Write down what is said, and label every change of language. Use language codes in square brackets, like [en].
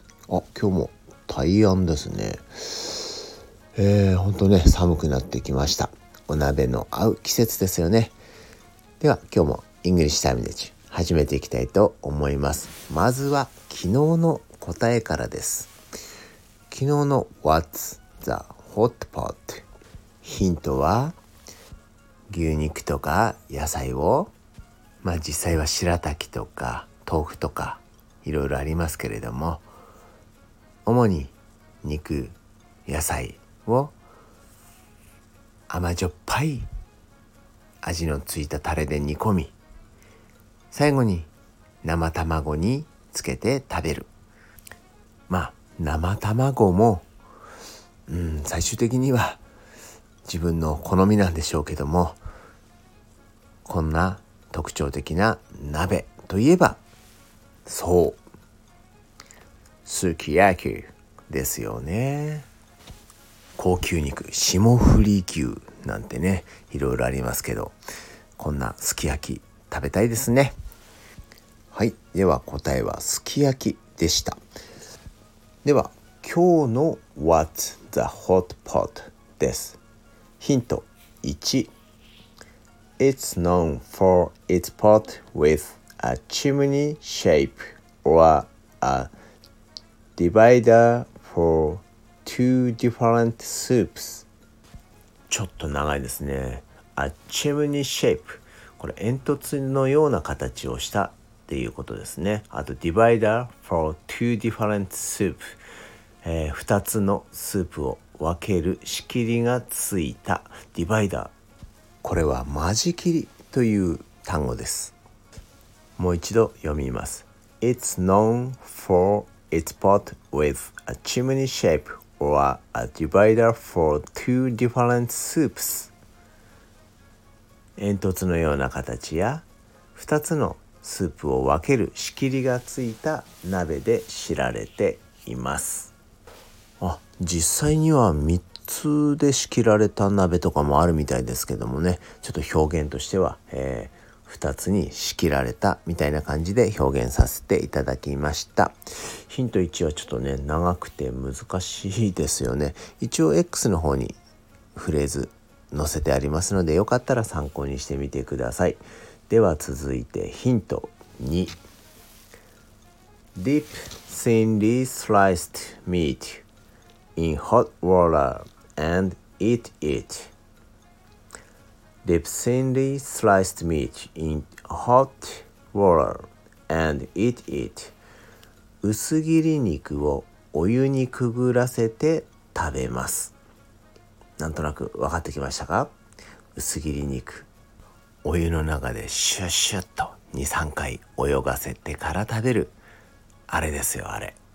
[ja] あ、今日も大安ですね。寒くなってきました。お鍋の合う季節ですよね。では今日もイングリッシュタイムで始めていきたいと思います。まずは昨日の答えからです。昨日の [en] What's the hot pot? [ja] ヒントは牛肉とか野菜を、まあ実際は白滝とか豆腐とかいろいろありますけれども、主に肉、野菜を甘じょっぱい味のついたタレで煮込み、最後に生卵につけて食べる。まあ生卵も、最終的には自分の好みなんでしょうけども、こんな特徴的な鍋といえば、そう、すき焼きですよね。高級肉、霜降り牛なんてね、いろいろありますけど、こんなすき焼き食べたいですね。はい、では答えはすき焼きでした。では今日の [en] What's the hot pot [ja] です。ヒント1、 [en] It's known for its pot with a chimney shape or a divider for two different soups. [ja] ちょっと長いですね。 [en] A chimney shape、 [ja] これ煙突のような形をしたっていうことですね。あと [en] divider for two different soup、 [ja] 2つのスープを分ける仕切りがついたディバイダー、これは間仕切りという単語です。もう一度読みます。 [en] It's known for its pot with a chimney shape or a divider for two different soups。 [ja] 煙突のような形や2つのスープを分ける仕切りがついた鍋で知られています。あ、実際には3つで仕切られた鍋とかもあるみたいですけどもね、ちょっと表現としては、2つに仕切られたみたいな感じで表現させていただきました。ヒント1はちょっとね、長くて難しいですよね。一応 X の方にフレーズ載せてありますので、よかったら参考にしてみてください。では続いてヒント2、 [en] Deep thinly sliced meatIn hot water and eat it. Deep thinly sliced meat in hot water and eat it. [ja] 薄切り肉をお湯にくぐらせて食べます。なんとなく分かってきましたか？薄切り肉、お湯の中でシュッシュッと2、3回泳がせてから食べる、あれですよ、あれ。